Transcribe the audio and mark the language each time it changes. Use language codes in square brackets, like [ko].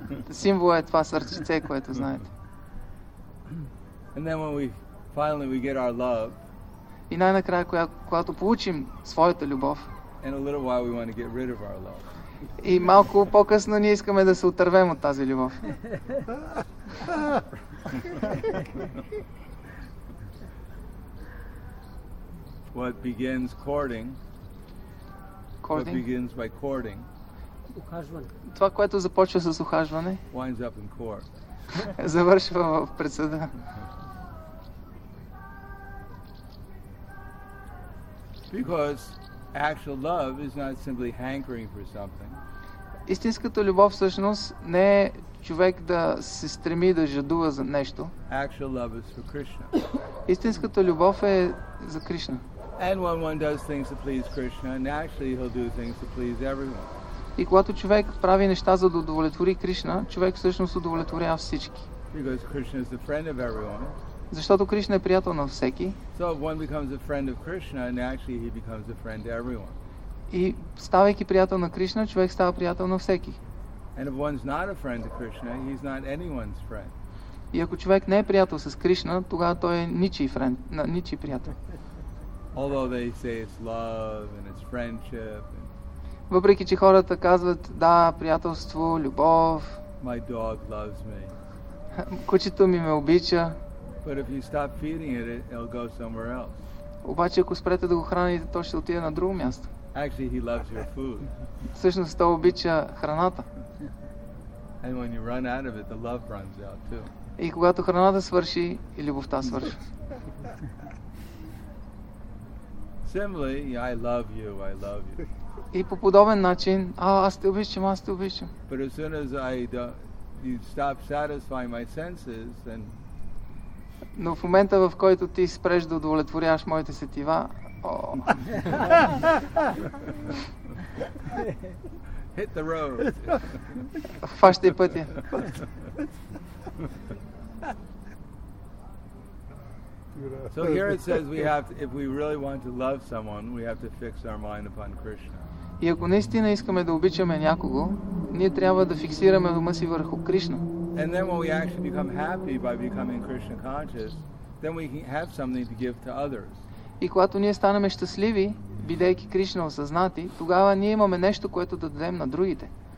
[bg] Символ е това сърчице, което знаете. [en] And then when finally we get our love. [bg] И най-накрая, когато получим своята любов. [en] And a little while we want to get rid of our love. [bg] И малко по-късно ние искаме да се отървем от тази любов. [en] What begins courting? What begins by courting? [bg] Ухажване. Това, което започва с ухажване, [en] winds up in court. [bg] Завършва в пресъда. [en] Because actual love is not simply hankering for something. [bg] Истинската любов всъщност не е човек да се стреми да жадува за нещо. [en] Actual love is for Krishna. [bg] Истинската любов е за Кришна. [en] And when one does things to please Krishna, naturally he'll do things to please everyone. [bg] И когато човек прави неща, за да удовлетвори Кришна, човек всъщност удовлетворява всички. [en] Because Krishna is the friend of everyone. [bg] Защото Кришна е приятел на всеки. [en] So if one becomes a friend of Krishna, naturally he becomes a friend to everyone. [bg] И ставайки приятел на Кришна, човек става приятел на всеки. [en] And if one's not a friend to Krishna, he's not anyone's friend. [bg] И ако човек не е приятел с Кришна, тогава той е ничий приятел. [en] Although they say it's love and it's friendship. [bg] Въпреки че хората казват да, приятелство, любов. [en] My dog loves me. [bg] Кучето ми ме обича. [en] But if you stop feeding it, it'll go somewhere else. [bg] Обаче ако спрете да го храните, то ще отиде на друго място. [en] Actually, he loves your food. [bg] Всъщност той обича храната. [en] And when you run out of it, the love runs out too. [bg] И когато храната свърши, и любовта свършва. [en] Similarly, I love you, I love you. [bg] И по подобен начин, аз те обичам, аз те обичам. [en] But as soon as you stop satisfying my senses, then... [bg] Но в момента, в който ти спреш да удовлетворяваш моите сетива, [en] Hit the road. [bg] Фащай пътя. [en] So here it says we have to, if we really want to love someone, we have to fix our mind upon Krishna. [bg] И ако наистина искаме да обичаме някого, ние трябва да фиксираме ума си върху Кришна. [en] And then when we actually become happy by becoming Krishna conscious, then we have something to give to others. [bg] И когато ние станем щастливи, бидейки Кришна осъзнати, тогава ние имаме нещо, което да дадем на другите.